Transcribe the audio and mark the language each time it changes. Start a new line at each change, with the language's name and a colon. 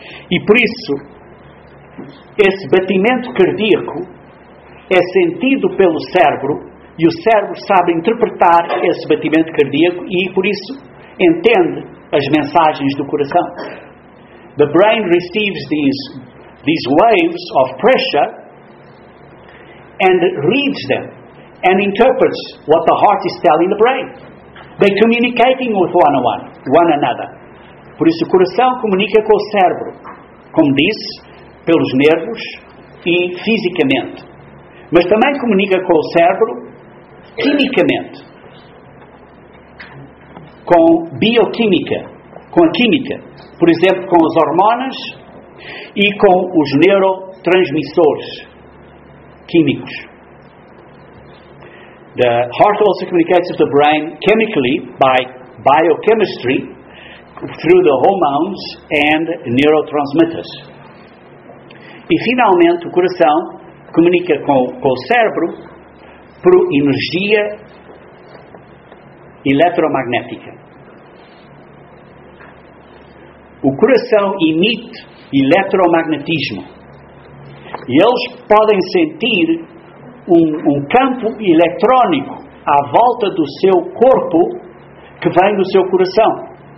Portuguese: E por isso, esse batimento cardíaco é sentido pelo cérebro, e o cérebro sabe interpretar esse batimento cardíaco e, por isso, entende as mensagens do coração.
English: The brain receives these waves of pressure and reads them and interprets what the heart is telling the brain. They're communicating with one another.
Portuguese: Por isso, o coração comunica com o cérebro, como disse, pelos nervos e fisicamente. Mas também comunica com o cérebro quimicamente, com bioquímica, com a química, por exemplo, com as hormonas e com os neurotransmissores químicos.
English: The heart also communicates with the brain chemically by biochemistry through the hormones and neurotransmitters.
Portuguese: E finalmente, o coração comunica com o cérebro por energia eletromagnética. O coração emite eletromagnetismo e eles podem sentir um campo eletrónico à volta do seu corpo que vem do seu coração.